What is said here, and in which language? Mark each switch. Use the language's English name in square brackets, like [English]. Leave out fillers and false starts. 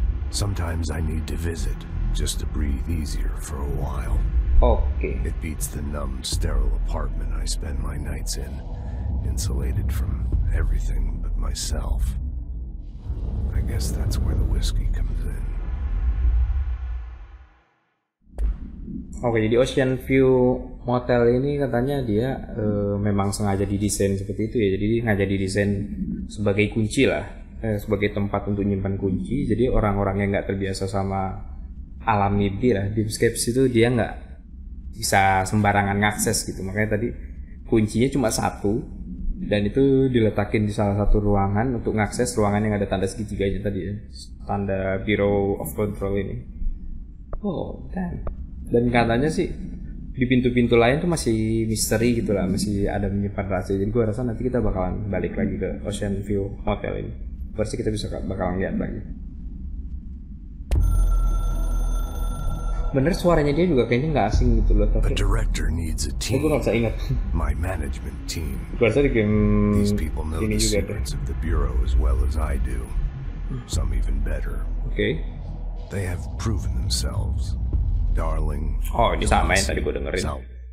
[English] Sometimes I need to visit, just to breathe easier for a while. Okay. It beats the numb, sterile apartment I spend my nights in, insulated from everything but myself. I guess that's where the whiskey comes in. [Indonesian] Okay, jadi Ocean View Motel ini katanya dia memang sengaja didesain seperti itu ya. Jadi sengaja didesain sebagai kunci lah. Sebagai tempat untuk nyimpan kunci, jadi orang-orang yang nggak terbiasa sama alam mimpi lah, deepscape itu dia nggak bisa sembarangan ngakses gitu. Makanya tadi kuncinya cuma satu, dan itu diletakin di salah satu ruangan untuk ngakses ruangan yang ada tanda segitiganya tadi ya, tanda Bureau of Control ini. [English] Oh, damn. [Indonesian] Dan katanya sih di pintu-pintu lain tuh masih misteri gitu lah, masih ada menyimpan rahasia. Jadi gue rasa nanti kita bakalan balik lagi ke Ocean View Hotel ini. Pasti kita bisa bakal lihat lagi. Bener suaranya dia juga kayaknya nggak asing gitu loh. [English] A director needs a team. [Indonesian] Gue nggak bisa ingat. [English] My management team. [Indonesian] Gue rasa di game [English] these people know the secrets of the Bureau as well as I do. Some even better. Okay. They have proven themselves. Darling. [Indonesian] Oh, ini sama yang tadi gue dengerin. Sal-